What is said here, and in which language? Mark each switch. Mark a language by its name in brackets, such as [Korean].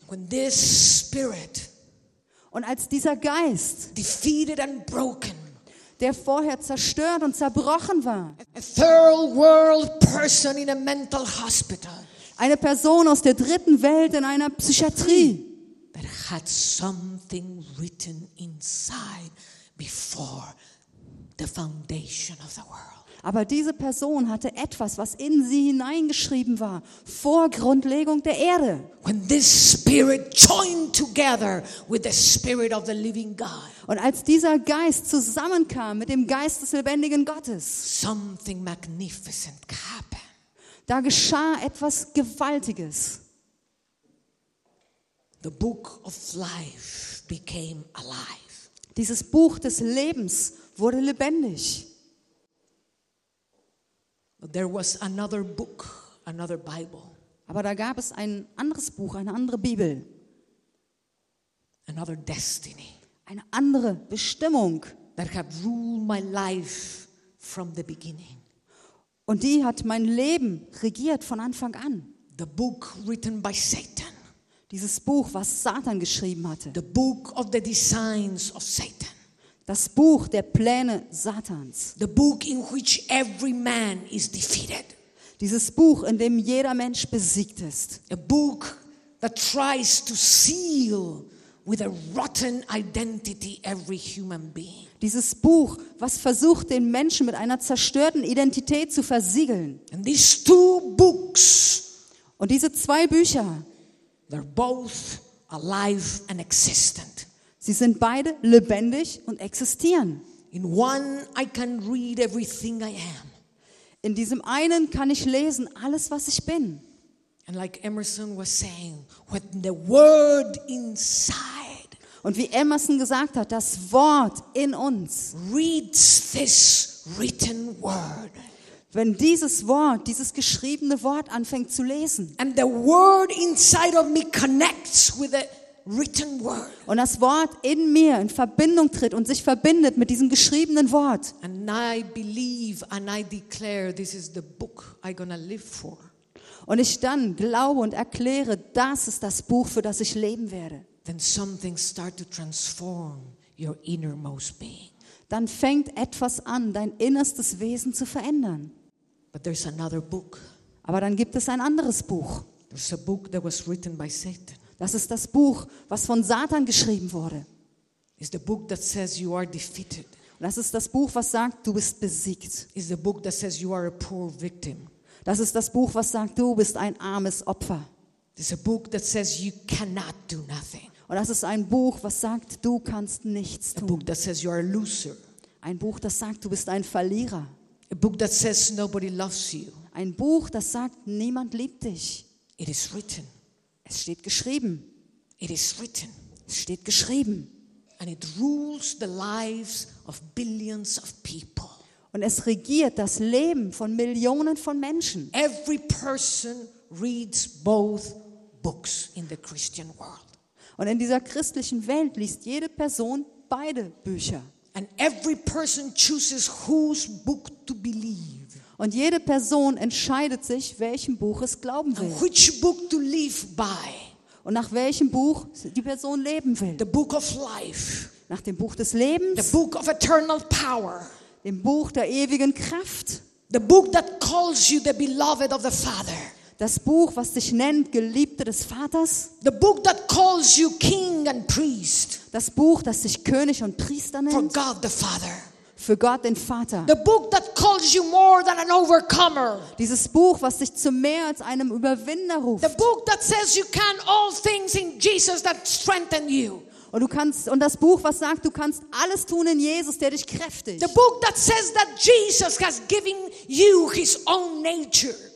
[English] When this spirit, [German] und als dieser Geist, [English] defeated and broken, [German] der vorher zerstört und zerbrochen war, [English] a third world person in a mental hospital, [German] eine Person aus der dritten Welt in einer Psychiatrie, [English] that had something written inside before the foundation of the world. [German] Aber diese Person hatte etwas, was in sie hineingeschrieben war, vor Grundlegung der Erde. [English] When this spirit joined together with the spirit of the living God. [German] Und als dieser Geist zusammenkam mit dem Geist des lebendigen Gottes, [English] something magnificent happened. [German] Da geschah etwas Gewaltiges. [English] The book of life became alive. [German] Dieses Buch des Lebens wurde lebendig. [English] There was another book, another Bible. [German] Aber da gab es ein anderes Buch, eine andere Bibel. [English] Another destiny. [German] Eine andere Bestimmung. [English] That had ruled my life from the beginning. [German] Und die hat mein Leben regiert von Anfang an. [English] The book written by Satan. [German] Dieses Buch, was Satan geschrieben hatte. [English] The book of the designs of Satan. [German] Das Buch der Pläne Satans. [English] The book in which every man is defeated. [German] Dieses Buch, in dem jeder Mensch besiegt ist. [English] A book that tries to seal with a rotten identity every human being. [German] Dieses Buch, was versucht, den Menschen mit einer zerstörten Identität zu versiegeln. [English] And these two books. [German] Und diese zwei Bücher. [English] They're both alive and existent. [German] Sie sind beide lebendig und existieren. [English] In one I can read everything I am. [German] In diesem einen kann ich lesen alles, was ich bin. [English] And like Emerson was saying, when the word inside. [German] Und wie Emerson gesagt hat, das Wort in uns. [English] Reads this written word. [German] Wenn dieses Wort, dieses geschriebene Wort anfängt zu lesen. [English] And the word inside of me connects with the written word. [German] Und das Wort in mir in Verbindung tritt und sich verbindet mit diesem geschriebenen Wort. [English] And I believe and I declare this is the book I'm gonna live for. [German] Und ich dann glaube und erkläre, das ist das Buch, für das ich leben werde. [English] Then something start to transform your innermost being. [German] Dann fängt etwas an, dein innerstes Wesen zu verändern. [English] But there's another book. [German] Aber dann gibt es ein anderes Buch. [English] There's a book that was written by Satan. [German] Das ist das Buch, was von Satan geschrieben wurde. [English] It's the book that says you are defeated. [German] Das ist das Buch, was sagt, du bist besiegt. [English] It's the book that says you are a poor victim. [German] Das ist das Buch, was sagt, du bist ein armes Opfer. [English] It's a book that says you cannot do nothing. [German] Und das ist ein Buch, was sagt, du kannst nichts tun. [English] A book that says you are a loser. [German] Ein Buch, das sagt, du bist ein Verlierer. [English] A book that says nobody loves you. [German] Ein Buch, das sagt, niemand liebt dich. [English] It is written. [German] Es steht geschrieben. [English] It is written. [German] Es steht geschrieben. [English] And it rules the lives of billions of people. [German] Und es regiert das Leben von Millionen von Menschen. [English] Every person reads both books in the Christian world. [German] Und in dieser christlichen Welt liest jede Person beide Bücher. [English] And every person chooses whose book to believe. [German] Und jede Person entscheidet sich, welchem Buch es glauben will. [English] And which book to live by. [German] Und nach welchem Buch die Person leben will. [English] The book of life. [German] Nach dem Buch des Lebens. [English] The book of eternal power. [German] Dem Buch der ewigen Kraft. [English] The book that calls you the beloved of the Father. [German] Das Buch, was dich nennt, Geliebte des Vaters. [English] The book that calls you king and priest. [German] Das Buch, das dich König und Priester nennt. [English] For God the Father. [German] Für Gott den Vater. [English] The book that calls you more than an overcomer. [German] Dieses Buch, was dich zu mehr als einem Überwinder ruft. [English] The book that says you can all things in Jesus that strengthen you. [German] Und du kannst und das Buch, was sagt, du kannst alles tun in Jesus, der dich kräftigt. [English] The book that says that Jesus has given you his own nature.